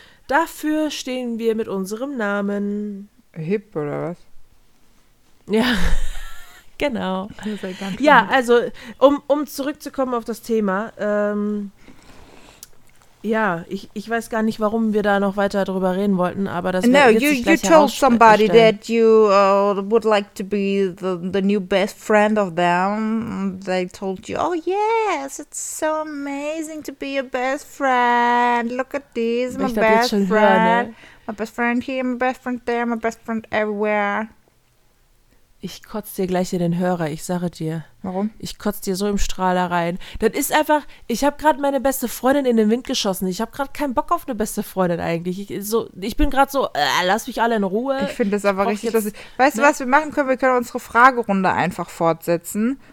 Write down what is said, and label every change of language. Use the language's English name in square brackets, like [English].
[German] Dafür stehen wir mit unserem Namen. Hip, oder was? Ja, genau. Ja, also, um zurückzukommen auf das Thema, ja, ich weiß gar nicht, warum wir da noch weiter drüber reden wollten, aber das werden wir jetzt gleich herausstellen. [English] You told somebody that you would like to be the new best friend of them. They told you, oh yes, it's so amazing to be your best friend. Look at this, my best friend. My best friend here, my best friend there, my best friend everywhere. [German] Ich kotze dir gleich in den Hörer, ich sage dir. Warum? Ich kotze dir so im Strahler rein. Das ist einfach, ich habe gerade meine beste Freundin in den Wind geschossen. Ich habe gerade keinen Bock auf eine beste Freundin eigentlich. Ich bin gerade so, lass mich alle in Ruhe. Ich finde das aber richtig lustig. Weißt du, was wir machen können? Wir können unsere Fragerunde einfach fortsetzen.